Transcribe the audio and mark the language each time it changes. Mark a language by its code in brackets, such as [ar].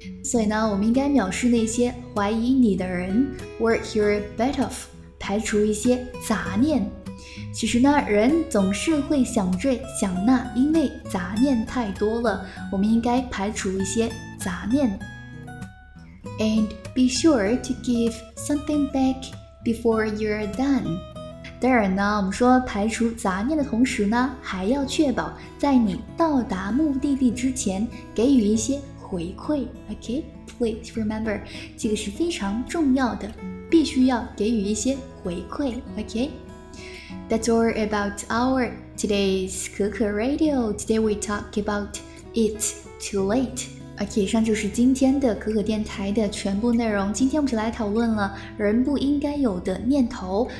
[zh] 所以呢，我们应该藐视那些怀疑你的人。 [en] Work your butt off. [zh] 排除一些杂念。其实呢，人总是会想这想那，因为杂念太多了。我们应该排除一些杂念。 [en] And be sure to give something back before you're done. [zh] 当然呢，我们说排除杂念的同时呢，还要确保在你到达目的地之前给予一些回馈。 [en] Okay, please remember, [zh] 这个是非常重要的，必须要给予一些回馈。 [en] Okay, that's all about our today's 可可 Radio. Today we talk about it too late. [zh] OK, 以上就是今天的可可电台的全部内容。今天我们就来讨论了人不应该有的念头。